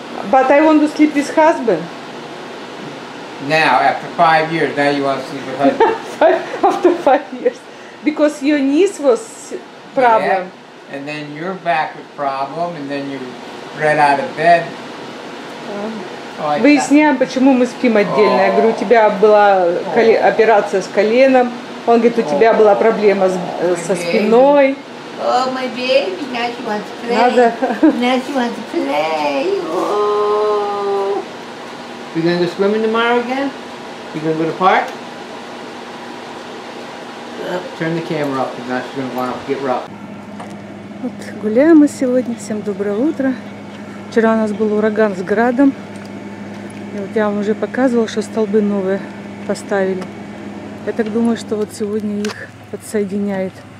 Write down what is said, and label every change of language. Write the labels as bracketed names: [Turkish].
[English] But I want to sleep with husband. Now, after 5 years, now you want to sleep with husband. After 5 years. Because your knees was problem. Yeah. And then your back was problem, and then you ran out of bed. [Russian] Выясняем, почему мы спим отдельно. Я говорю, у тебя была операция с коленом. Он говорит, у тебя была проблема со спиной. [English] О, мой бейби, now she wants to play. You gonna go swimming tomorrow again? You gonna go to the park? Turn the camera up, now she's gonna wanna get rough. [Russian] Вот гуляем мы сегодня. Всем доброе утро. Вчера у нас был ураган с градом. И вот я вам уже показывала, что столбы новые поставили. Я так думаю, что вот сегодня их подсоединяет.